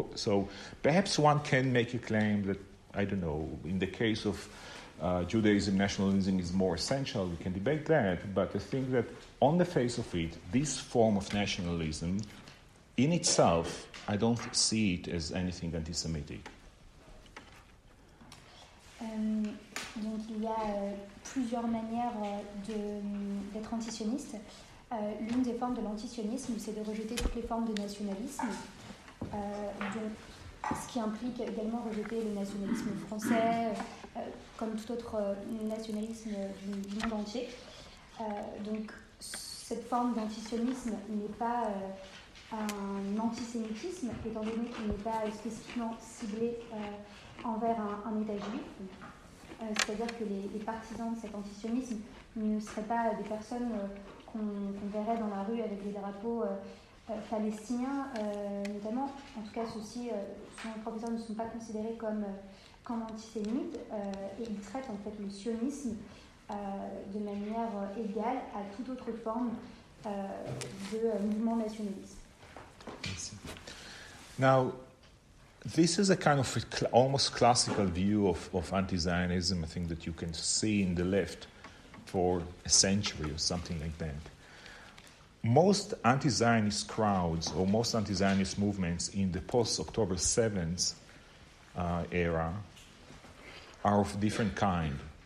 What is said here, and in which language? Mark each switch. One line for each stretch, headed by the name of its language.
English: So perhaps one can make a claim that, I don't know, in the case of Judaism, nationalism is more essential. We can debate that. But I think that on the face of it, this form of nationalism in itself, I don't see it as anything anti-Semitic.
French: Donc il y a plusieurs manières d'être antisioniste. L'une des formes de l'antisionisme, c'est de rejeter toutes les formes de nationalisme, ce qui implique également rejeter le nationalisme français, comme tout autre nationalisme du monde entier. Donc cette forme d'antisionisme n'est pas un antisémitisme, étant donné qu'il n'est pas spécifiquement ciblé envers un État juif. C'est-à-dire que les partisans de cet antisionisme ne seraient pas des personnes qu'on verrait dans la rue avec des drapeaux palestiniens, notamment. En tout cas, ceux-ci, selon le professeur, ne sont pas considérés comme antisémites, et ils traitent en fait le sionisme de manière égale à toute autre forme de mouvement nationaliste.
English: Now, this is a kind of a almost classical view of anti-Zionism, I think, that you can see in the left for a century or something like that. Most anti-Zionist crowds or most anti-Zionist movements in the post-October 7th era are of different kind.